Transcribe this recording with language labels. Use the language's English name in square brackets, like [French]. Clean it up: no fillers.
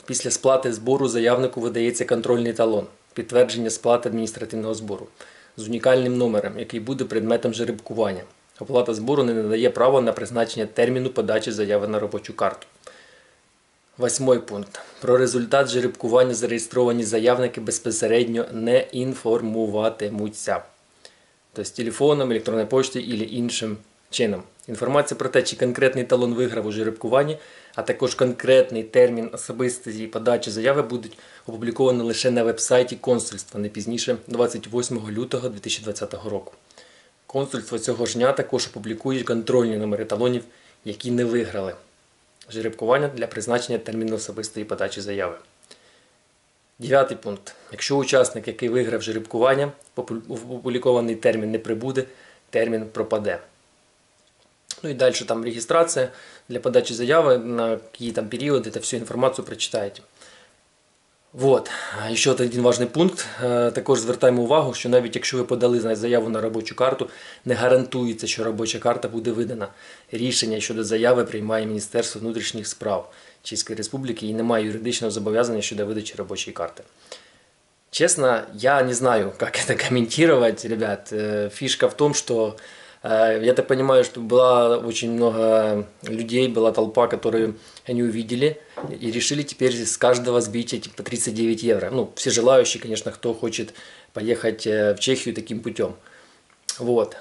[Ukrainian] Після сплати збору заявнику видається контрольний талон, підтвердження сплати адміністративного збору з унікальним номером, який буде предметом жеребкування. Оплата збору не надає права на призначення терміну подачі заяви на робочу карту. [Russian] Восьмой пункт. [Ukrainian] Про результат жеребкування зареєстровані заявники безпосередньо не інформуватимуться. [Russian] То есть телефоном, электронной почтой или [Ukrainian] іншим чином. Інформація про те, чи конкретний талон виграв у жеребкуванні, а також конкретний термін особистої подачі заяви будуть опубліковані лише на веб-сайті консульства не пізніше 28 лютого 2020 року. Консульство цього ж дня також опублікує контрольні номери талонів, які не виграли жеребкування для призначення терміну особистої подачі заяви. Дев'ятий пункт. Якщо учасник, який виграв жеребкування, в опублікований термін не прибуде, термін пропаде. Ну і далі там реєстрація для подачі заяви, на які там періоди, та всю інформацію прочитаєте. Вот, ще один важливий пункт. Також звертаємо увагу, що навіть якщо ви подали заяву на робочу карту, не гарантується, що робоча карта буде видана. Рішення щодо заяви приймає Міністерство внутрішніх справ Чеської Республіки і немає юридичного зобов'язання щодо видачі робочої карти. Чесно, я не знаю, як це коментувати, ребят. Фішка в тому, що я [Russian] так понимаю, что было очень много людей, была толпа, которую они увидели и решили теперь с каждого сбить эти по 39 евро. Ну, все желающие, конечно, кто хочет поехать в Чехию таким путем. Вот.